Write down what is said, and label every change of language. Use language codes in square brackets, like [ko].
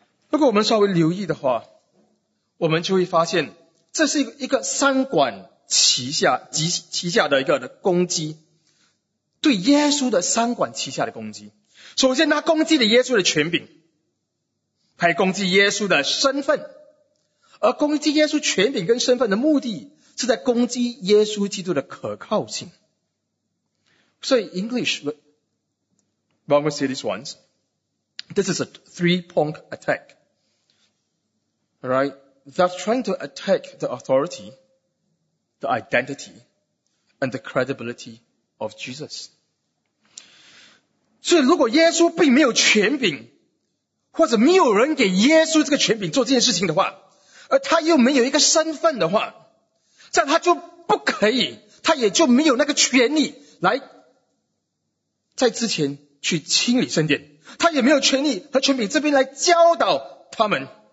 [zh] 如果我们稍微留意的话，我们就会发现这是一个三管齐下的一个攻击，对耶稣的三管齐下的攻击。首先他攻击了耶稣的权柄，还攻击耶稣的身份，而攻击耶稣权柄跟身份的目的是在攻击耶稣基督的可靠性。所以 [en] English, well, we'll say this once. This is a three-pong attack. Right? They're trying to attack the authority, the identity, and the credibility of Jesus. [zh] 所以如果耶稣并没有权柄，或者没有人给耶稣这个权柄做这件事情的话，而他又没有一个身份的话，这样他就不可以，他也就没有那个权利来在之前去清理圣殿，他也没有权利和权柄这边来教导他们。